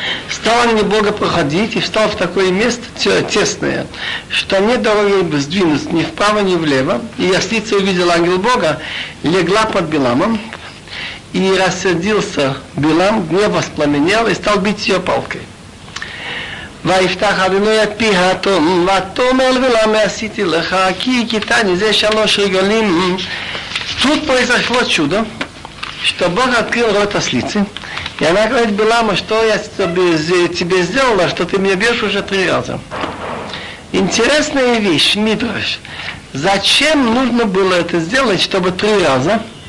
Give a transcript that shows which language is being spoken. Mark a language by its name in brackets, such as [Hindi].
[Russian] Стал они Бога проходить и встал в такое место тесное, что нет дороги сдвинуться ни вправо, ни влево. И ослица увидела ангел Бога, легла под Биламом и рассердился Билам, гнев воспламенел и стал бить ее палкой. [Hebrew] ויפתח אדוני את פי האתון, ותאמר בלעם עשיתי לך, כי כיתני זה שלוש רגלים. [Russian] Тут произошло чудо, что Бог открыл рот ослицы. И она говорит Биламу, что я тебе сделала, что ты меня бьешь уже три раза. Интересная вещь, Мидраш. Зачем нужно было это сделать, чтобы три раза?